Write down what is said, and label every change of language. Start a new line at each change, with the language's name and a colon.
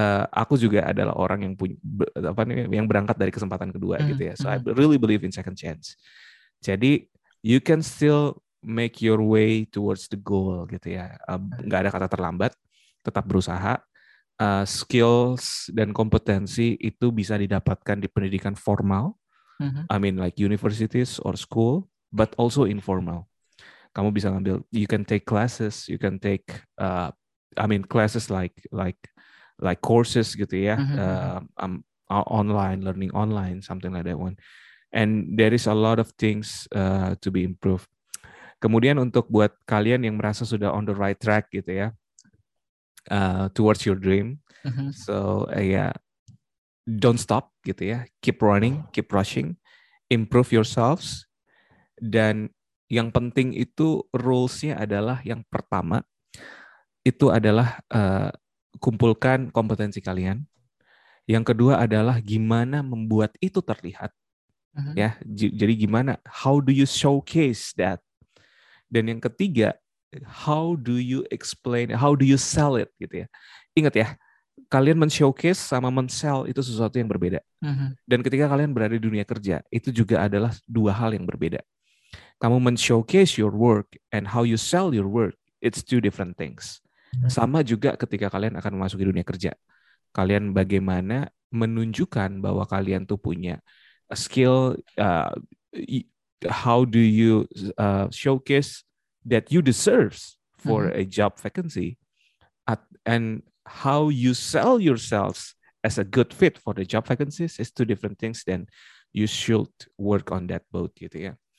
Indonesian: Aku juga adalah orang yang yang berangkat dari kesempatan kedua gitu ya.
English: So I really believe in second chance.
Indonesian: Jadi
English: you can still make your way towards the goal gitu ya.
Indonesian: Gak ada kata terlambat, tetap berusaha. Skills dan kompetensi itu bisa didapatkan di pendidikan formal. Mm-hmm.
English: I mean like universities or school, but also informal.
Indonesian: Kamu bisa ngambil,
English: you can take classes, you can take classes like courses gitu ya. Mm-hmm. Online learning, online something like that one. And there is a lot of things to be improved.
Indonesian: Kemudian untuk buat kalian yang merasa sudah
English: on the right track
Indonesian: gitu ya,
English: towards your dream.
Indonesian: Mm-hmm.
English: So don't stop gitu ya. Keep running, keep rushing, improve yourselves.
Indonesian: Dan yang penting itu rules-nya adalah yang pertama, itu adalah kumpulkan kompetensi kalian. Yang kedua adalah gimana membuat itu terlihat.
English: Mm-hmm.
Indonesian: Ya, jadi gimana,
English: how do you showcase that?
Indonesian: Dan yang ketiga,
English: how do you explain, how do you sell it gitu ya.
Indonesian: Ingat ya, kalian men-showcase sama men-sell itu sesuatu yang berbeda. Mm-hmm. Dan ketika kalian berada di dunia kerja, itu juga adalah dua hal yang berbeda. Kamu men-showcase
English: your work and how you sell your work, it's two different things. Mm-hmm.
Indonesian: Sama juga ketika kalian akan memasuki dunia kerja. Kalian bagaimana menunjukkan bahwa kalian tuh punya
English: a skill, how do you showcase that you deserves for a job vacancy, and how you sell yourselves as a good fit for the job vacancies is two different things, then you should work on that both gitu ya.